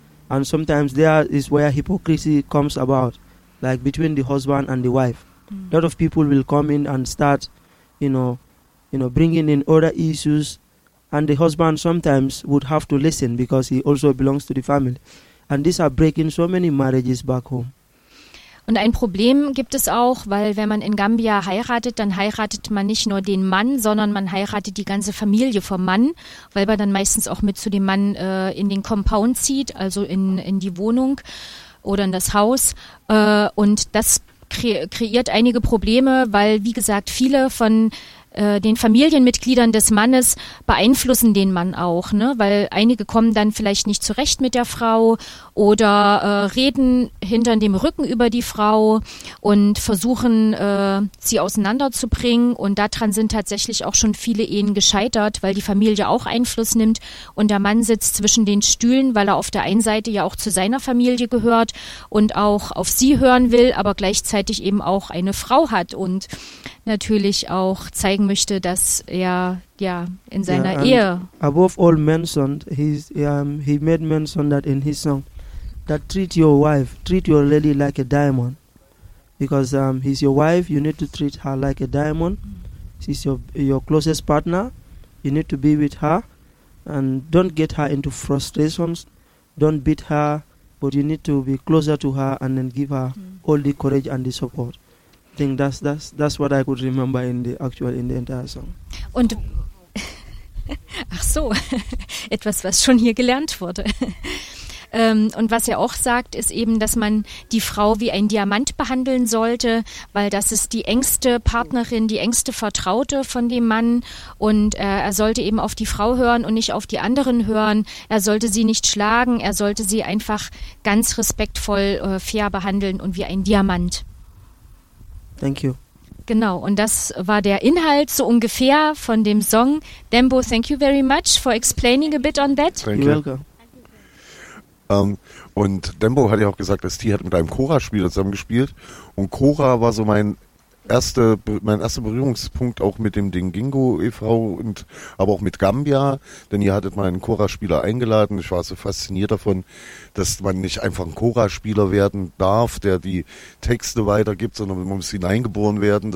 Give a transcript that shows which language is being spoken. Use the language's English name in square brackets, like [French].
[English] And sometimes there is where hypocrisy comes about, like between the husband and the wife. A lot of people will come in and start, you know, bringing in other issues. And the husband sometimes would have to listen because he also belongs to the family. And these are breaking so many marriages back home. [German] Und ein Problem gibt es auch, weil wenn man in Gambia heiratet, dann heiratet man nicht nur den Mann, sondern man heiratet die ganze Familie vom Mann, weil man dann meistens auch mit zu dem Mann in den Compound zieht, also in die Wohnung oder in das Haus. Und das kreiert einige Probleme, weil, wie gesagt, viele von den Familienmitgliedern des Mannes beeinflussen den Mann auch, ne? Weil einige kommen dann vielleicht nicht zurecht mit der Frau oder reden hinter dem Rücken über die Frau und versuchen, sie auseinanderzubringen. Und daran sind tatsächlich auch schon viele Ehen gescheitert, weil die Familie auch Einfluss nimmt und der Mann sitzt zwischen den Stühlen, weil er auf der einen Seite ja auch zu seiner Familie gehört und auch auf sie hören will, aber gleichzeitig eben auch eine Frau hat und natürlich auch zeigen möchte, dass er ja in seiner Ehe. [English] Above all mentioned, he made mention that in his song, that treat your wife, treat your lady like a diamond, because he's your wife, you need to treat her like a diamond. She's your closest partner, you need to be with her, and don't get her into frustrations, don't beat her, but you need to be closer to her and then give her all the courage and the support. I think that's what I could remember in the entire song. [German] Und ach so, etwas, was schon hier gelernt wurde. Und was er auch sagt, ist eben, dass man die Frau wie ein Diamant behandeln sollte, weil das ist die engste Partnerin, die engste Vertraute von dem Mann. Und er sollte eben auf die Frau hören und nicht auf die anderen hören. Er sollte sie nicht schlagen, er sollte sie einfach ganz respektvoll, fair behandeln und wie ein Diamant. [English] Thank you. [German] Genau, und das war der Inhalt so ungefähr von dem Song. [English] Dembo, thank you very much for explaining a bit on that. Thank you. [German] Und Dembo hat ja auch gesagt, dass die hat mit einem Cora-Spieler zusammen gespielt. Und Cora war so mein erster Berührungspunkt auch mit dem Dingingo e.V., und aber auch mit Gambia, denn ihr hattet mal einen Cora-Spieler eingeladen. Ich war so fasziniert davon, dass man nicht einfach ein Cora-Spieler werden darf, der die Texte weitergibt, sondern man muss hineingeboren werden.